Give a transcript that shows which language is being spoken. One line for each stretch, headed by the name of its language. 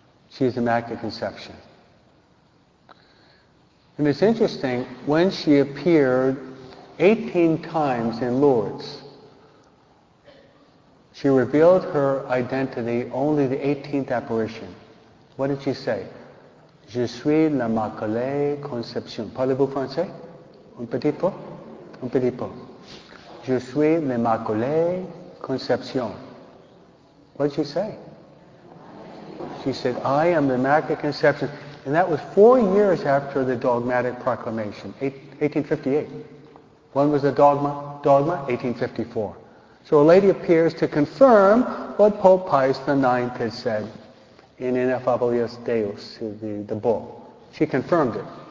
English: She's the Immaculate Conception. And it's interesting, when she appeared 18 times in Lourdes, she revealed her identity only the 18th apparition. What did she say?
French: Je suis l'Immaculée Conception. Parlez-vous français? Un petit peu? Un petit peu. Je suis l'Immaculée Conception.
English: What did she say? She said, I am the Immaculate Conception. And that was 4 years after the dogmatic proclamation, 1858. When was the dogma? 1854. So a lady appears to confirm what Pope Pius IX had said in Ineffabilis Deus, the bull. She confirmed it.